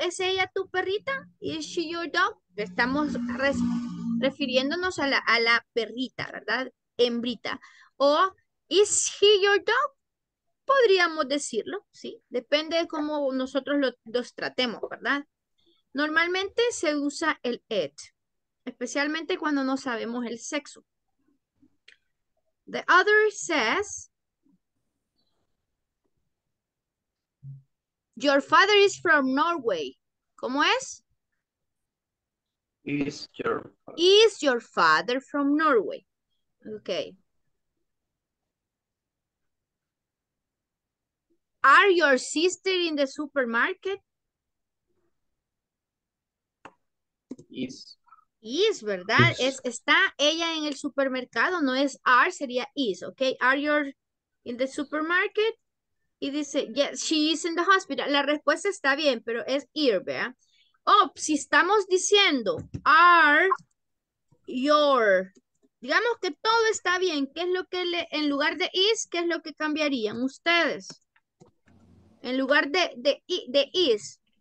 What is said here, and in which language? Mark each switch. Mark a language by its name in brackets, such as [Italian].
[Spanish] ¿Es ella tu perrita? [English] Is she your dog? [Spanish] Estamos refiriéndonos a la perrita, ¿verdad? Hembrita. O, [English] is he your dog? [Spanish] Podríamos decirlo, ¿sí? Depende de cómo nosotros los tratemos, ¿verdad? Normalmente se usa el it, especialmente cuando no sabemos el sexo. [English] The other says, your father is from Norway. [Spanish] ¿Cómo es? [English] Is your father from Norway? Okay. Are your sister in the supermarket? Is, [Spanish] ¿verdad? [English] Yes. [Spanish] Es está ella en el supermercado, no es are, sería is, okay? [English] Are you in the supermarket? [Spanish] Y dice, [English] yes, she is in the hospital. [Spanish] La respuesta está bien, pero es ir, ¿verdad? Oh, si estamos diciendo are your, digamos que todo está bien, ¿qué es lo que le, en lugar de is, qué es lo que cambiarían ustedes? En lugar de is.